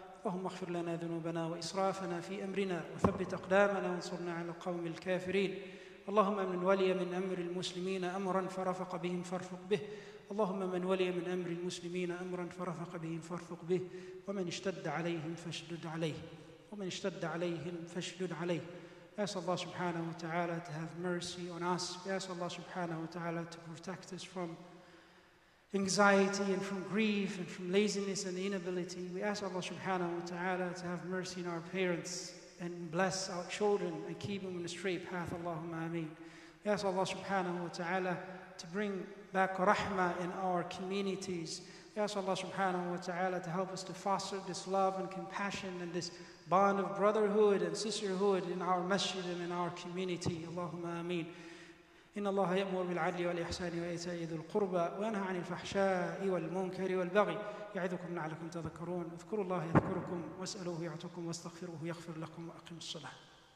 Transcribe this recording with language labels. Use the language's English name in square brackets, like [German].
[Arabic] اللهم اغفر لنا ذنوبنا وإسرافنا في أمرنا وثبت أقدامنا وانصرنا على القوم الكافرين. اللهم من ولي من أمر المسلمين أمرا فرفق بهم فارفق به. اللهم من ولي من أمر المسلمين أمرا فرفق بهم فارفق به. ومن اشتد عليهم فاشدد عليه. ومن اشتد عليهم فاشدد عليه. [English] Ask Allah subhanahu wa ta'ala to have mercy on us. Ask Allah subhanahu wa ta'ala to protect us from anxiety and from grief and from laziness and inability. We ask Allah subhanahu wa ta'ala to have mercy on our parents and bless our children and keep them in a straight path, Allahumma ameen. We ask Allah subhanahu wa ta'ala to bring back rahmah in our communities. We ask Allah subhanahu wa ta'ala to help us to foster this love and compassion and this bond of brotherhood and sisterhood in our masjid and in our community, Allahumma ameen. [Arabic] إن الله يأمر بالعدل والإحسان وإيتاء ذي القربى وينهى عن الفحشاء والمنكر والبغي يعظكم لعلكم تذكرون اذكروا الله يذكركم واسألوه يعطكم واستغفروه يغفر لكم وأقم الصلاة